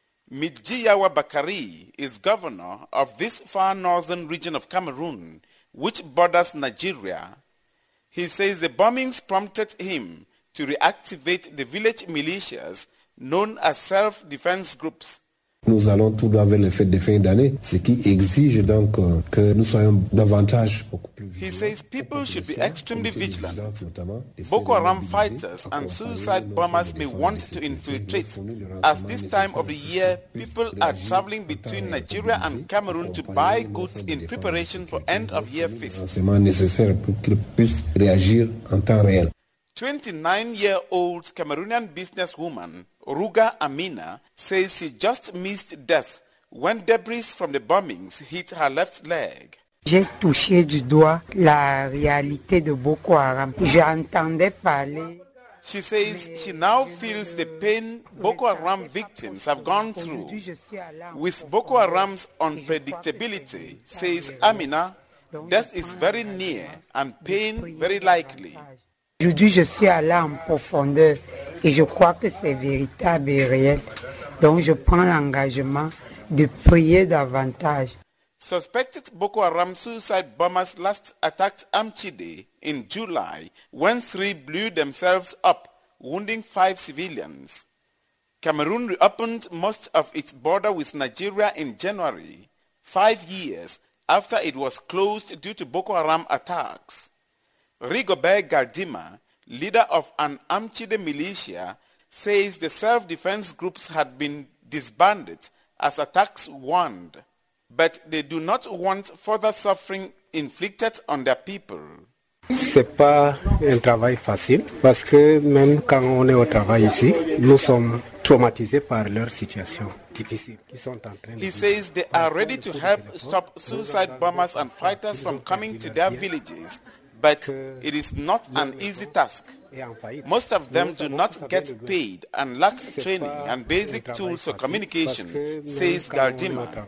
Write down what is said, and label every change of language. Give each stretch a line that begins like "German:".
English: Midjiyawa Bakari is governor of this far northern region of Cameroon, which borders Nigeria. He says the bombings prompted him to reactivate the village militias known as self-defense groups.
French: Nous allons tout avec les fêtes de fin d'année, ce qui exige donc que nous soyons davantage beaucoup plus vigilants.
English: He says people should be extremely vigilant. Boko Haram fighters and suicide bombers may want to infiltrate, as this time of the year, people are traveling between Nigeria and Cameroon to buy goods in preparation for end-of-year feasts.
French: C'est nécessaire pour qu'ils puissent réagir en temps réel.
English: 29-year-old Cameroonian businesswoman Ruga Amina says she just missed death when debris from the bombings hit her left leg.
French: J'ai touché du doigt la réalité de Boko Haram. J'entendais parler.
English: She says she now feels the pain Boko Haram victims have gone through. With Boko Haram's unpredictability, says Amina, death is very near and pain very likely.
French: Aujourd'hui, je suis allé en profondeur et je crois que c'est véritable et réel. Donc, je prends l'engagement de prier davantage.
English: Suspected Boko Haram suicide bombers last attacked Amchide in July when 3 blew themselves up, wounding 5 civilians. Cameroon reopened most of its border with Nigeria in January, 5 years after it was closed due to Boko Haram attacks. Rigobert Gardima, leader of an Amchide militia, says the self-defense groups had been disbanded as attacks waned. but they do not want further suffering inflicted on their people.
French: C'est pas un travail facile parce que même quand on est au travail ici, nous sommes traumatisés par leur situation difficile. Ils sont en train de
English: He says they are ready to help stop suicide bombers and fighters from coming to their villages, but it is not an easy task. Most of them do not get paid and lack training and basic tools for communication, says Galdima.